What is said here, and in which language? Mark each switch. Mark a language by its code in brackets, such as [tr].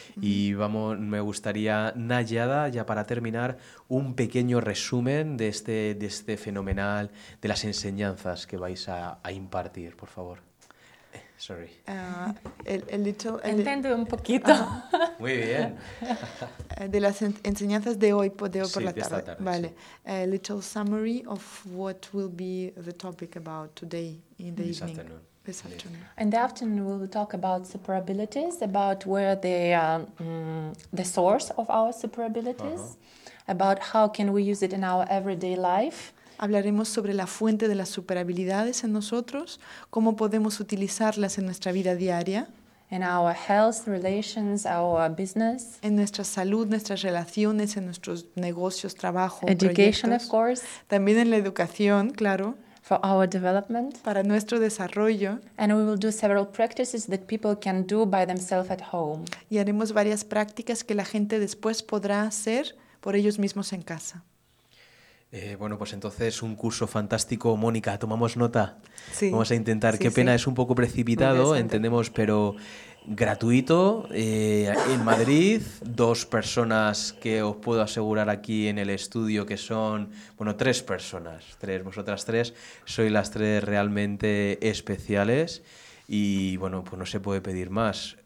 [es] Y vamos, me gustaría, Nayada, ya para terminar, un pequeño resumen de este fenomenal, de las enseñanzas que vais a impartir, por favor. [en] Sorry. [es] Entiendo un poquito. Muy bien. De las enseñanzas de hoy, por la tarde. Sí, esta tarde. Vale. Sí. [en] A little summary of what will be the topic about today in the evening. This afternoon. In the afternoon, we'll talk about super abilities, about where they are the source of our super abilities, about how can we use it in our everyday life. [es] Hablaremos sobre la fuente de las superhabilidades en nosotros, cómo podemos utilizarlas en nuestra vida diaria. [en] In our health, relations, our business. [es] En nuestra salud, nuestras relaciones, en nuestros negocios, trabajo, [en] education, [es] proyectos. [en] Of course. [es] También en la educación, claro. [en] For our development. [es] Para nuestro desarrollo. [en] And we will do several practices that people can do by themselves at home. [es] Y haremos varias prácticas que la gente después podrá hacer por ellos mismos en casa. Bueno, pues entonces un curso fantástico, Mónica, tomamos nota. Sí. Vamos a intentar, es un poco precipitado, entendemos, pero gratuito, en Madrid, dos personas que os puedo asegurar aquí en el estudio que son, bueno, tres personas, vosotras tres, sois las tres realmente especiales y bueno, pues no se puede pedir más.